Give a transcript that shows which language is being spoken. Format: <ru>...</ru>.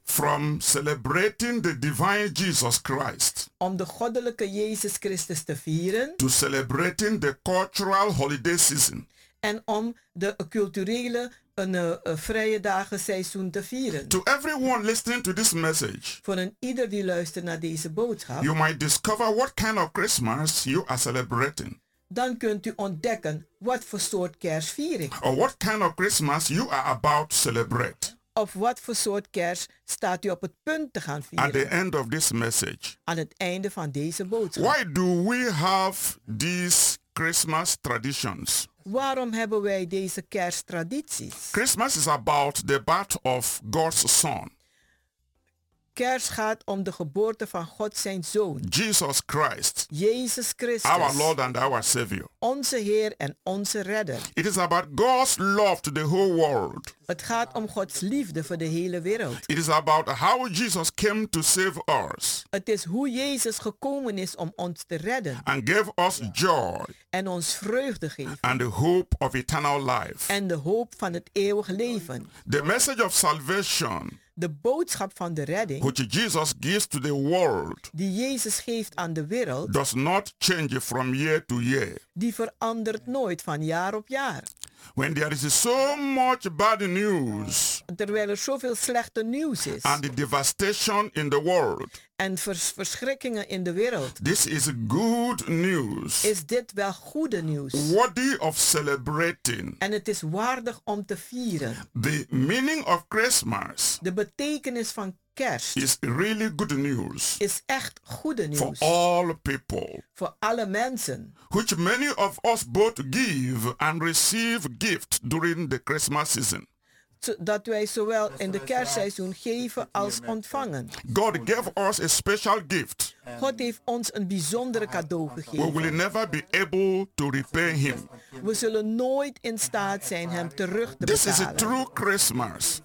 <en>From celebrating the divine Jesus Christ.</en> <nl>Om de goddelijke Jezus Christus te vieren.</nl> <en>To celebrating the cultural holiday season.</en> <nl>En om de culturele vrije dagen seizoen te vieren.</nl> <en>To everyone listening to this message.</en> <nl>Voor een ieder die luistert naar deze boodschap.</nl> <en>You might discover what kind of Christmas you are celebrating.</en> <nl>Dan kunt u ontdekken wat voor soort kerst viering.</nl> <en>Or what kind of Christmas you are about to celebrate.</en> <nl>Of wat voor soort kerst staat u op het punt te gaan vieren.</nl> <en>At the end of this message.</en> <nl>Aan het einde van deze boodschap.</nl> <en>Why do we have these Christmas traditions?</en> <nl>Waarom hebben wij deze kersttradities?</nl> <en>Christmas is about the birth of God's Son.</en> <nl>Kerst gaat om de geboorte van God zijn Zoon.</nl> <en>Jesus Christ.</en> <nl>Jezus Christus.</nl> <en>Our Lord and our Savior.</en> <nl>Onze Heer en onze Redder.</nl> <en>It is about God's love to the whole world.</en> <nl>Het gaat om Gods liefde voor de hele wereld.</nl> <en>It is about how Jesus came to save us.</en> <nl>Het is hoe Jezus gekomen is om ons te redden.</nl> <en>And gave us joy.</en> <nl>En ons vreugde geven.</nl> <en>And the hope of eternal life.</en> <nl>En de hoop van het eeuwig leven.</nl> <en>The message of salvation.</en> <nl>De boodschap van de redding,</nl> <en>which Jesus gives to the world,</en> <nl>die Jezus geeft aan de wereld,</nl> <en>does not change from year to year.</en> <nl>Die verandert nooit van jaar op jaar.</nl> <en>When there is so much bad news,</en> <nl>terwijl er zoveel slechte nieuws is,</nl> <en>and the devastation in the world,</en> <nl>en verschrikkingen in de wereld,</nl> <en>this is good news,</en> <nl>is dit wel goede nieuws,</nl> <en>worthy of celebrating,</en> <nl>en het is waardig om te vieren.</nl> <en>The meaning of Christmas,</en> <nl>de betekenis van kerst,</nl> <en>is really good news,</en> <nl>is echt goede nieuws,</nl> <en>for all people,</en> <nl>voor alle mensen,</nl> <en>which many of us both give and receive gifts during the Christmas season.</en> <nl>Dat wij zowel in de kerstseizoen geven als ontvangen.</nl> <en>God gave us a special gift.</en> <nl>God heeft ons een bijzondere cadeau gegeven.</nl> <en>We will never be able to repay him.</en> <nl>We zullen nooit in staat zijn hem terug te</nl> <en>This</en> <nl>betalen.</nl> <en>This is a true Christmas.</en>